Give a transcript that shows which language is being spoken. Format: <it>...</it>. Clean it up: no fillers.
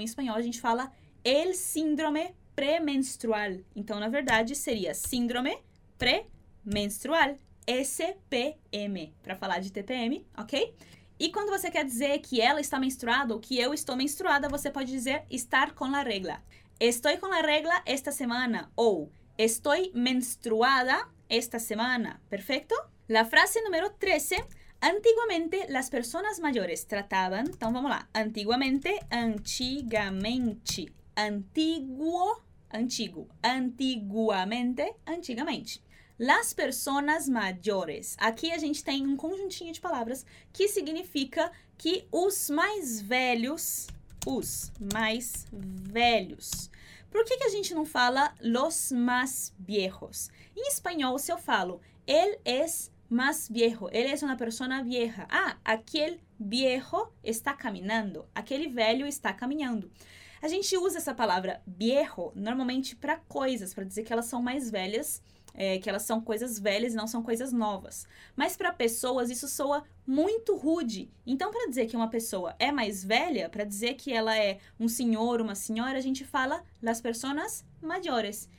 <pt>Em espanhol, a gente fala</pt> <es>el síndrome premenstrual.</es> <pt>Então, na verdade, seria síndrome premenstrual, SPM, para falar de TPM, ok? E quando você quer dizer que ela está menstruada ou que eu estou menstruada, você pode dizer</pt> <es>estar con la regla. Estoy con la regla esta semana. Ou estoy menstruada esta semana. Perfecto? La frase número 13. Antiguamente, las personas mayores trataban...</es> <pt>Então, vamos lá. Antiguamente, antigamente. Antiguo, antigo. Antiguamente, antigamente.</pt> <es>Las personas mayores.</es> <pt>Aqui a gente tem um conjuntinho de palavras que significa que os mais velhos... Os mais velhos. Por que a gente não fala</pt> <es>los más viejos?</es> <pt>Em espanhol, se eu falo</pt> <es>él es más viejo, él es una persona vieja. Ah, aquel viejo está caminando.</es> <pt>Aquele velho está caminhando. A gente usa essa palavra viejo normalmente para coisas, para dizer que elas são mais velhas, que elas são coisas velhas e não são coisas novas. Mas para pessoas isso soa muito rude. Então, para dizer que uma pessoa é mais velha, para dizer que ela é um senhor, uma senhora, a gente fala</pt> <es>las personas mayores.</es>